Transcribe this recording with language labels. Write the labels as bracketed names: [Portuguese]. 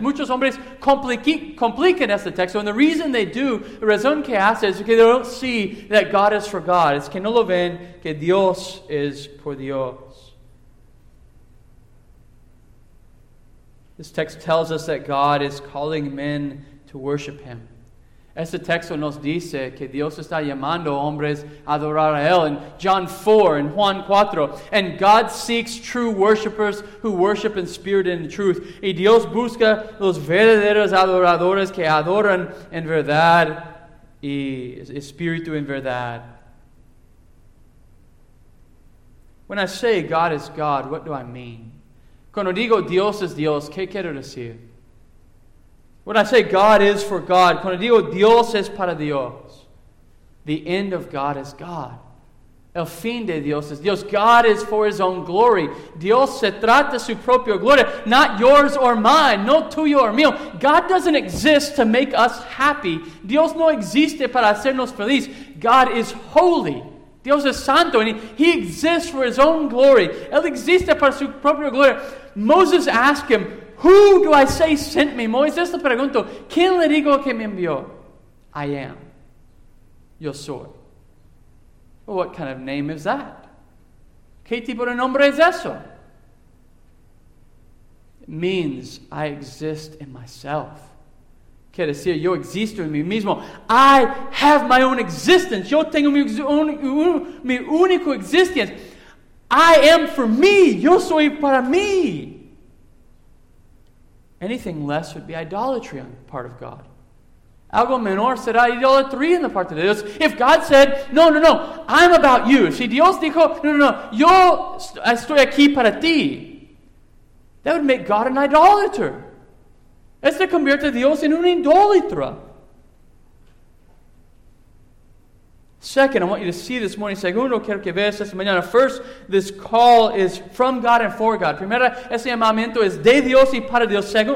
[Spanish] Muchos hombres complican este texto. [English] And the reason they do, [Spanish] the razón que hace, [English] is because they don't see that God is for God. [Spanish] Es que no lo ven que Dios es por Dios. [English] This text tells us that God is calling men to worship Him. [Spanish] Este texto nos dice que Dios está llamando hombres a adorar a Él. [English] In John 4, [Spanish] in Juan 4, [English] and God seeks true worshipers who worship in spirit and in truth. [Spanish] Y Dios busca los verdaderos adoradores que adoran en verdad y espíritu en verdad. [English] When I say God is God, what do I mean? [Spanish] Cuando digo Dios es Dios, ¿qué quiero decir? [English] When I say God is for God, [Spanish] cuando digo Dios es para Dios, [English] the end of God is God. [Spanish] El fin de Dios es Dios. [English] God is for His own glory. [Spanish] Dios se trata su propia gloria. [English] Not yours or mine. [Spanish] No tuyo or mío. [English] God doesn't exist to make us happy. [Spanish] Dios no existe para hacernos feliz. [English] God is holy. [Spanish] Dios es santo. [English] And He exists for His own glory. [Spanish] Él existe para su propia gloria. [English] Moses asked Him, "Who do I say sent me?" [Spanish] Moisés le preguntó, "¿Quién le digo que me envió?" [English] "I am. [Spanish] Yo soy." [English] "Well, what kind of name is that? [Spanish] ¿Qué tipo de nombre es eso?" [English] It means I exist in myself. [Spanish] Quiere decir, yo existo en mí mismo. [English] I have my own existence. [Spanish] Yo tengo mi único existence. [English] I am for me. [Spanish] Yo soy para mí. [English] Anything less would be idolatry on the part of God. [Spanish] Algo menor será idolatría en la parte de Dios. [English] If God said, "No, no, no, I'm about you." [Spanish] Si Dios dijo, "No, no, no, yo estoy aquí para ti." [English] That would make God an idolater. [Spanish] Esto convierte a Dios en un idólatra. [English] Second, I want you to see this morning. [Spanish] Segundo, quiero que veas esta mañana. [English] First, this call is from God and for God. [Spanish] Primera, ese llamamiento es de Dios y para Dios.